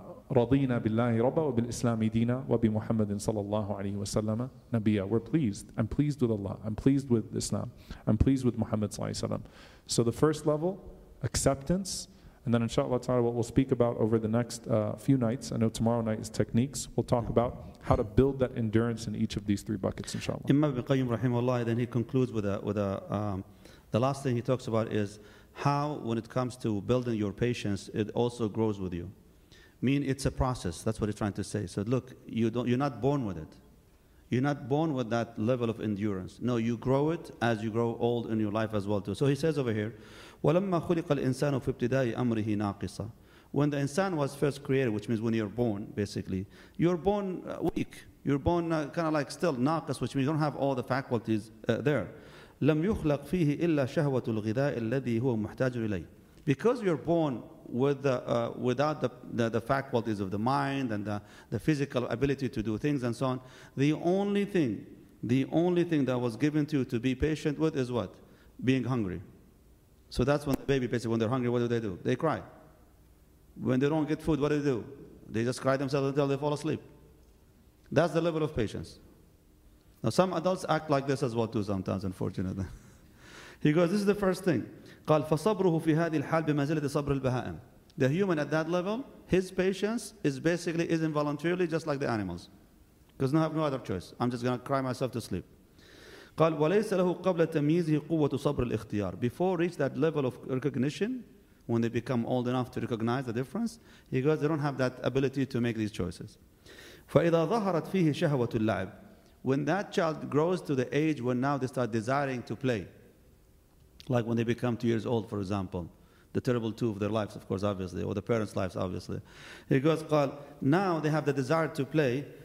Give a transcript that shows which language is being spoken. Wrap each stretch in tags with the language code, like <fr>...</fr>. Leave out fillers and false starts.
<ar>رضينا بالله ربا وبالإسلام دينا وبمحمد صلى الله عليه وسلم نبيا.</ar> <en>We're pleased. I'm pleased with Allah. I'm pleased with Islam. I'm pleased with Muhammad صلى الله عليه وسلم. So the first level, acceptance. And then inshallah ta'ala, what we'll speak about over the next few nights, I know tomorrow night is techniques, we'll talk about how to build that endurance in each of these three buckets, inshallah. Imam Ibn Qayyim rahimahullah, then he concludes the last thing he talks about is how, when it comes to building your patience, it also grows with you. Mean it's a process. That's what he's trying to say. So look, you're not born with it. You're not born with that level of endurance. No, you grow it as you grow old in your life as well too. So he says over here,</en> <ar>وَلَمَّا خُلِقَ الْإِنسَانُ فِي ابْتِدَاءِ أَمْرِهِ نَاقِصًا.</ar> <en>When the insan was first created, which means when you're born, basically, you're born weak. You're born kind of like still naqis, which means you don't have all the faculties there.</en> <ar>لَمْ يُخْلَقْ فِيهِ إِلَّا شَهْوَةُ الْغِذَاءِ الَّذِي هُوَ مُحْتَاجُ إِلَيْهِ.</ar> <en>Because you're born with without the faculties of the mind and the physical ability to do things and so on, the only thing that was given to you to be patient with is what? Being hungry. So that's when the baby, basically, when they're hungry, what do? They cry. When they don't get food, what do? They just cry themselves until they fall asleep. That's the level of patience. Now, some adults act like this as well, too, sometimes, unfortunately. He goes, this is the first thing.</en> <ar>قال فصبره في هذه الحال بمنزلة صبر البهائم.</ar> <en>The human at that level, his patience is involuntarily just like the animals. Because I have no other choice. I'm just going to cry myself to sleep.</en> <ar>قال وليس له قبل تمييزه قوة صبر الاختيار.</ar> <en>Before reach that level of recognition, when they become old enough to recognize the difference, he goes, they don't have that ability to make these choices.</en> <ar>فإذا ظهرت فيه شهوة اللعب.</ar> <en>When that child grows to the age when now they start desiring to play, like when they become 2 years old, for example, the terrible two of their lives, of course, obviously, or the parents' lives, obviously. He goes, قال, now they have the desire to play.</en>